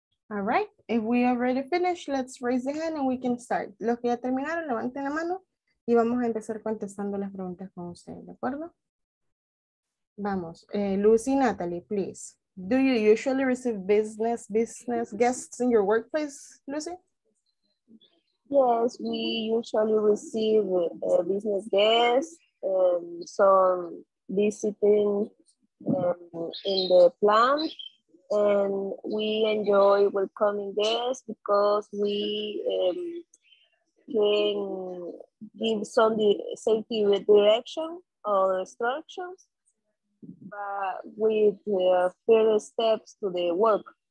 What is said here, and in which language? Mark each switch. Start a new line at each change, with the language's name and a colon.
English: All right, if we already finished, let's raise the hand and we can start.
Spanish: Los que ya terminaron, levanten la mano y vamos a empezar contestando las preguntas con ustedes, ¿de acuerdo? Vamos, Lucy, Natalie, please.
English: Do you usually receive business guests in your workplace, Lucy? Yes, we usually receive business guests and some visiting in the plant, and we enjoy welcoming guests because we can give some safety direction or instructions, but with further steps to the work.